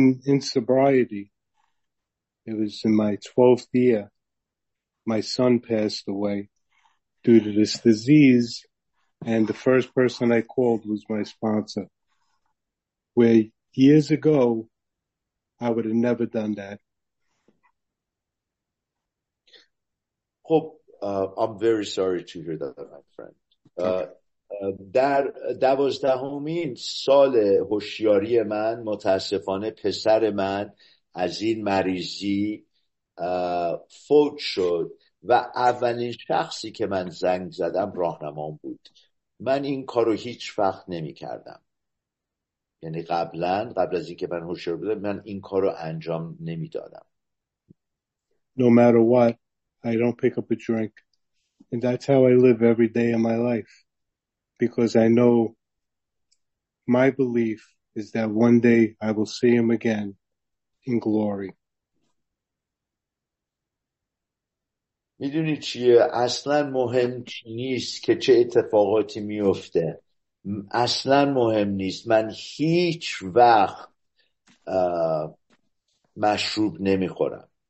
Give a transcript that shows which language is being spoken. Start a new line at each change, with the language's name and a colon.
English: In sobriety, it was in my 12th year, my son passed away due to this disease, and the first person I called was my sponsor, where years ago, I would have never done that. I'm very sorry to hear that, my friend.
Persian: در دوازدهمین سال هوشیاری من متاسفانه پسر من از این مریضی فوت شد و اولین شخصی که من زنگ زدم راهنمام بود. من این کارو هیچ وقت نمی کردم، یعنی قبل از اینکه من هوشیار بودم من این کارو انجام نمی دادم.
English: No matter what, I don't pick up a drink, and that's how I live every day of my life. Because I know my belief is that one day I will see him again in glory.
Persian: میدونی چیه؟ اصلا مهم نیست که چه اتفاقاتی میفته. اصلا مهم نیست. من هیچ وقت مشروب نمیخورم.